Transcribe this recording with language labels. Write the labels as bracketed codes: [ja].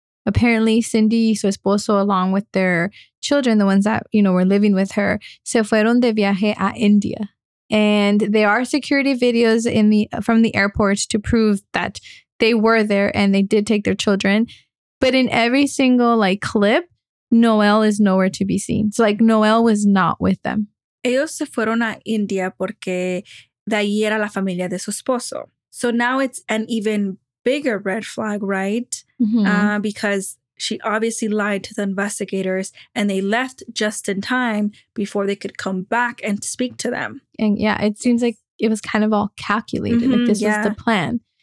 [en] Apparently, Cindy [es] y su esposo, [en] along with their children, the ones that, you know, were living with her, [es] se fueron de viaje a India. [en] And there are security videos from the airport to prove that they were there and they did take their children. But in every single, like, clip, Noel is nowhere to be seen. So, like, Noel was not with them. [es] Ellos se fueron a India porque de ahí era la familia de su esposo. [en] So now it's an even bigger red flag, right? Mm-hmm. Because she obviously lied to the investigators and they left just in time before they could come back and speak to them. And yeah, it seems like it was kind of all calculated. Mm-hmm, like this was the plan.